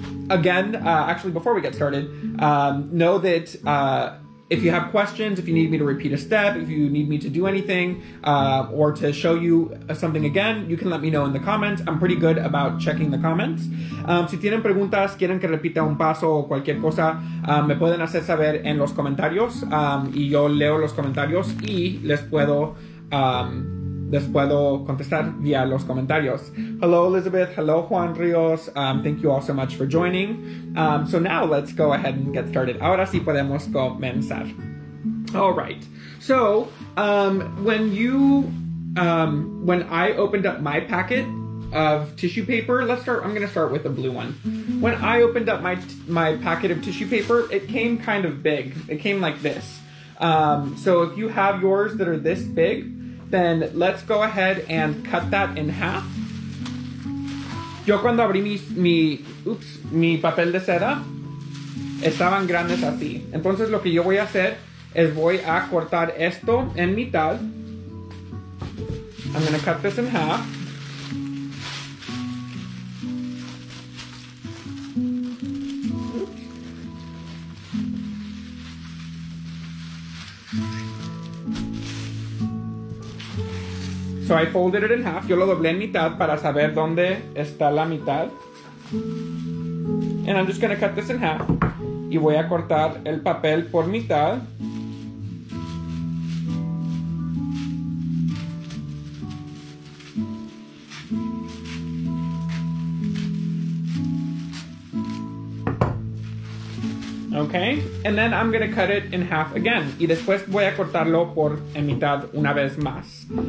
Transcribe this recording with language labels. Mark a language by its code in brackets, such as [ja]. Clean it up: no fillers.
[en] Actually, before we get started, know that if you have questions, if you need me to repeat a step, if you need me to do anything or to show you something again, you can let me know in the comments. I'm pretty good about checking the comments. [es] Si tienen preguntas, quieren que repita un paso o cualquier cosa, me pueden hacer saber en los comentarios y yo leo los comentarios y les puedo contestar via los comentarios. [en] Hello, Elizabeth. Hello, Juan Rios. Thank you all so much for joining. So now let's go ahead and get started. [es] Ahora sí podemos comenzar. [en] All right. So when I opened up my packet of tissue paper, I'm going to start with the blue one. When I opened up my packet of tissue paper, it came kind of big. It came like this. So if you have yours that are this big, then let's go ahead and cut that in half. [es] Yo cuando abrí mi papel de seda, estaban grandes así. Entonces lo que yo voy a hacer es voy a cortar esto en mitad. [en] I'm gonna cut this in half. Oops. So I folded it in half. [es] Yo lo doblé en mitad para saber dónde está la mitad. [en] And I'm just going to cut this in half. [es] Y voy a cortar el papel por mitad. [en] Okay, and then I'm gonna cut it in half again. [es] Y después voy a cortarlo por en mitad una vez más.